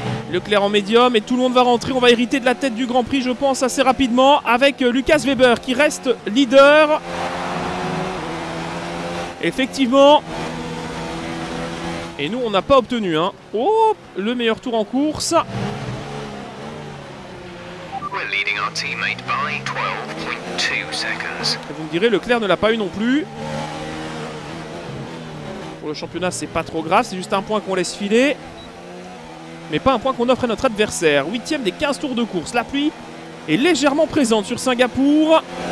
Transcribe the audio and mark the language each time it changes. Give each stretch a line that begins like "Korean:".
French: Leclerc en médium et tout le monde va rentrer. On va hériter de la tête du Grand Prix, je pense, assez rapidement avec Lucas Weber qui reste leader. Effectivement. Et nous, on n'a pas obtenu. Hein. Oh, le meilleur tour en course.
English: We're leading our teammate by 12.2 seconds.
French: Et vous me direz, Leclerc ne l'a pas eu non plus. Pour le championnat, c'est pas trop grave, c'est juste un point qu'on laisse filer. Mais pas un point qu'on offre à notre adversaire. 8ème des 15 tours de course. La pluie est légèrement présente sur Singapour.